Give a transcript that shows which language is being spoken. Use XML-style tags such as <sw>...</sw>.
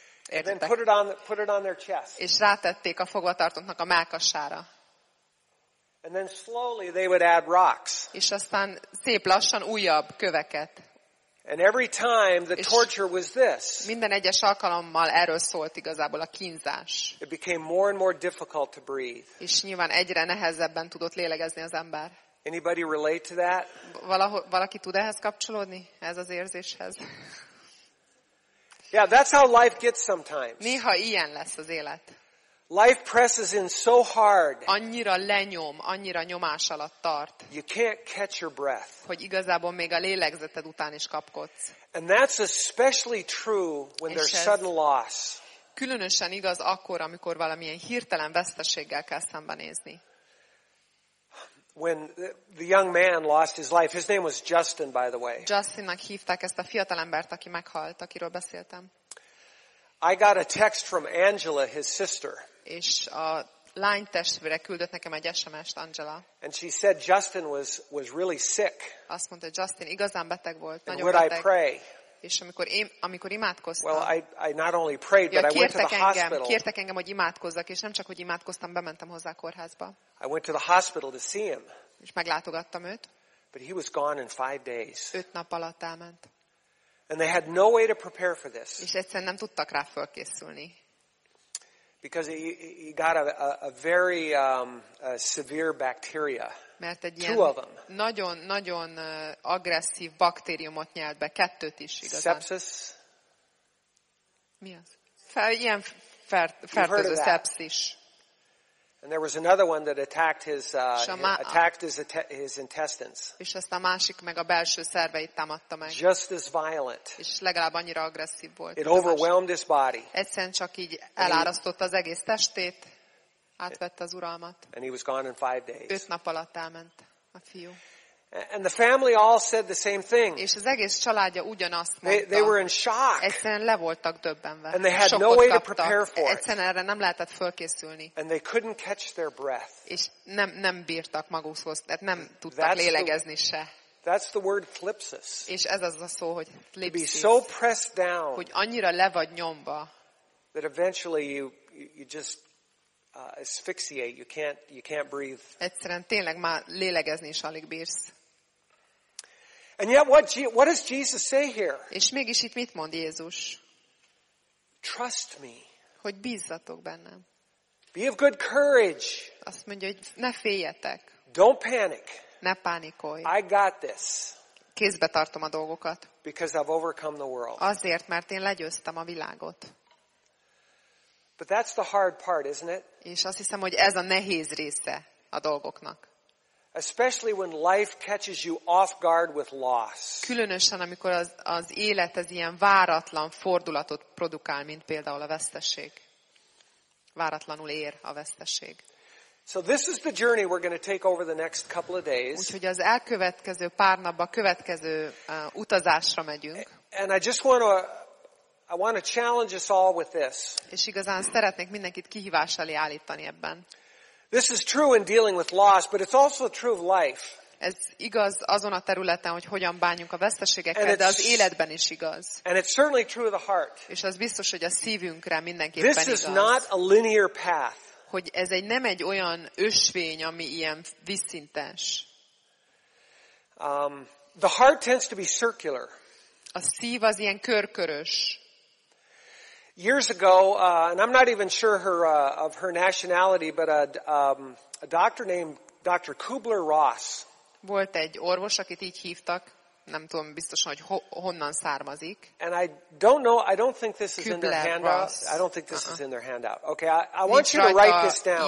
<en>And then put it on their chest.</en> <hu>És rátették a fogvatartottnak a mellkasára.</hu> <en>And then slowly they would add rocks.</en> <hu>És aztán szép lassan újabb köveket.</hu> <en>And every time the torture was this.</en> <hu>Minden egyes alkalommal erről szólt igazából a kínzás.</hu> <en>It became more and more difficult to breathe.</en> <hu>És nyilván egyre nehezebben tudott lélegezni az ember.</hu> <en>Anybody relate to that?</en> <hu>Valaki tud ehhez kapcsolódni, ez az érzéshez?</hu> <en>Yeah, that's how life gets sometimes.</en> <hu>Néha ilyen lesz az élet.</hu> <en>Life presses in so hard.</en> <hu>Annyira lenyom, annyira nyomás alatt tart.</hu> <en>You can't catch your breath.</en> <hu>Hogy igazából még a lélegzeted után is kapkodsz.</hu> <en>And that's especially true when there's sudden loss.</en> <hu>Különösen igaz akkor, amikor valamilyen hirtelen veszteséggel kell szembenézni.</hu> <en>When the young man lost his life, his name was Justin, by the way.</en> <hu>Justinnak hívták ezt a fiatalembert, aki meghalt, akiről beszéltem.</hu> <en>I got a text from Angela, his sister.</en> <hu>És a lány testvére küldött nekem egy SMS-t, Angela.</hu> <en>And she said Justin was really sick.</en> <hu>Azt mondta, Justin igazán beteg volt, nagyon beteg.</hu> <en>And would I pray?</en> <hu>És amikor imádkoztam.</hu> <en>Well, I not only prayed, but I went to the hospital.</en> <hu>Kértek engem, hogy imádkozzak, és nem csak hogy imádkoztam, bementem hozzá a kórházba.</hu> <en>I went to the hospital to see him.</en> <hu>És meglátogattam őt.</hu> <en>But he was gone in 5 days.</en> <hu>5 nap alatt elment.</hu> <en>And they had no way to prepare for this.</en> <hu>És egyszerűen nem tudtak rá fölkészülni.</hu> <en>Because he got a very a severe bacteria.</en> <hu>Mert egy ilyen nagyon agresszív baktériumot nyelt be, kettőt is igazán.</hu> <en>Sepsis.</en> <hu>Mi az? Ilyen fertőző szepszis.</hu> <en>And there was another one that attacked his attacked his intestines.</en> <hu>És ezt a másik meg a belső szerveit támadta meg.</hu> <en>Just as violent.</en> <hu>És legalább annyira agresszív volt.</hu> <en>It overwhelmed his body.</en> <hu>Egyszerűen csak így elárasztotta az egész testét, átvette az uralmat.</hu> <en>And he was gone in 5 days.</en> <hu>5 nap alatt elment a fiú.</hu> <en>And the family all said the same thing.</en> <hu>És az egész családja ugyanazt mondta.</hu> <en>They were in shock.</en> <hu>Egyszerűen le voltak döbbenve.</hu> <en>And they had no way to prepare for it.</en> <hu>Egyszerűen erre nem lehetett fölkészülni.</hu> <en>And they couldn't catch their breath.</en> <hu>És nem bírtak magukhoz, tehát nem tudtak lélegezni se.</hu> <en>That's the word thlipsis.</en> <hu>És ez az a szó, hogy thlipsis.</hu> <en>To be so pressed down.</en> <hu>Hogy annyira le vagy nyomva.</hu> <en>That eventually you just asphyxiate, you can't breathe.</en> <hu>Egyszerűen tényleg már lélegezni is alig bírsz.</hu> <en>And yet what does Jesus say here?</en> <hu>És mégis itt mit mond Jézus?</hu> <en>Trust me.</en> <hu>Hogy bízzatok bennem.</hu> <en>Be of good courage.</en> <hu>Azt mondja, hogy ne féljetek.</hu> <en>Don't panic.</en> <hu>Ne pánikolj.</hu> <en>I got this.</en> <hu>Kézbe tartom a dolgokat.</hu> <en>Because I've overcome the world.</en> <hu>Azért, mert én legyőztem a világot.</hu> <en>But that's the hard part, isn't it?</en> <hu>És azt hiszem, hogy ez a nehéz része a dolgoknak.</hu> <en>Especially when life catches you off guard with loss.</en> <hu>Különösen amikor az élet ez ilyen váratlan fordulatot produkál, mint például a veszteség. Váratlanul ér a veszteség.</hu> <en>So this is the journey we're going to take over the next couple of days.</en> <hu>Úgyhogy az elkövetkező pár napba következő utazásra megyünk.</hu> <en>And I want to challenge us all with this.</en> <hu>És igazán szeretnék mindenkit kihívással állítani ebben.</hu> <en>This is true in dealing with loss, but it's also true of life.</en> <hu>Ez igaz azon a területen, hogy hogyan bánjunk a veszteségekkel, de az életben is igaz.</hu> <en>And it's certainly true of the heart.</en> <hu>És az biztos, hogy a szívünkre mindenképpen</hu> <en>this</en> <hu>igaz.</hu> <en>This is not a linear path.</en> <hu>Hogy ez egy nem egy olyan ösvény, ami ilyen vízszintes.</hu> <en>The heart tends to be circular.</en> <hu>A szív az ilyen körkörös.</hu> <en>Years ago, and I'm not even sure of her nationality, but a doctor named Dr. Kubler-Ross.</en> <hu>Volt egy orvos, akit így hívtak. Nem tudom biztosan, hogy honnan származik.</hu> <en>And I don't know, I don't think this is in their handout. I don't think this is in their handout. Okay, I want you to write this down.</en>